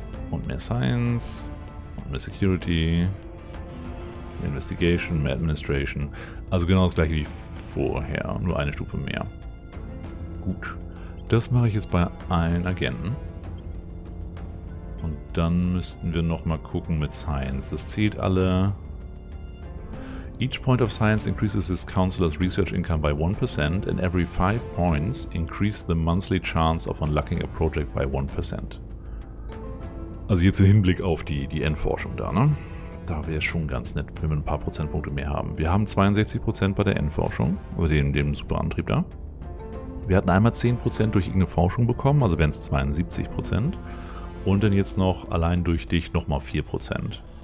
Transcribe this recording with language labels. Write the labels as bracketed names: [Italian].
[German] Und mehr Science. Und mehr Security. Mehr Investigation, mehr Administration. Also genau das gleiche wie vorher. Nur eine Stufe mehr. Gut, das mache ich jetzt bei allen Agenten. Und dann müssten wir nochmal gucken mit Science. Das zählt alle. [English] Each point of science increases his counselor's research income by 1% and every 5 points increase the monthly chance of unlocking a project by 1%. [German] Also jetzt im Hinblick auf die Endforschung da, ne? Da wäre es schon ganz nett, wenn wir ein paar Prozentpunkte mehr haben. Wir haben 62% bei der Endforschung, oder dem Superantrieb da. Wir hatten einmal 10% durch irgendeine Forschung bekommen, also wären es 72%. Und dann jetzt noch allein durch dich nochmal 4%.